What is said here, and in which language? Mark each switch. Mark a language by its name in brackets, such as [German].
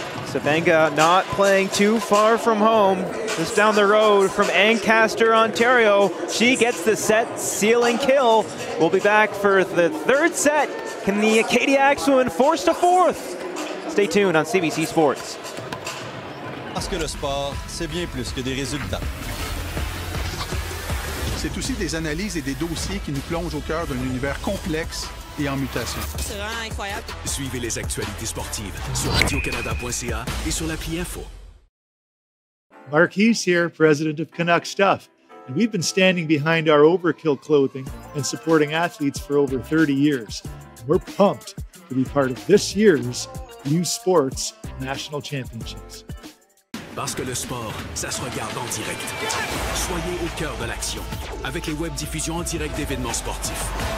[English] Sabenga not playing too far from home. Just down the road from Ancaster, Ontario. She gets the set sealing kill. We'll be back for the third set. Can the Acadia Axe win force to fourth? Stay tuned on CBC Sports. [French] Parce que le sport, c'est bien plus que des résultats. C'est aussi des analyses et des dossiers qui nous plongent au cœur d'un univers complexe et en mutation. C'est vraiment incroyable. Suivez les actualités sportives sur radiocanada.ca et sur l'appli Info. [English] Marquise here, president of Canuck Stuff. And we've been standing behind our overkill clothing and supporting athletes for over 30 years. And we're pumped to be part of this year's U Sports National Championships. [French] Parce que le sport, ça se regarde en direct. Soyez au cœur de l'action avec les web diffusions en direct d'événements sportifs.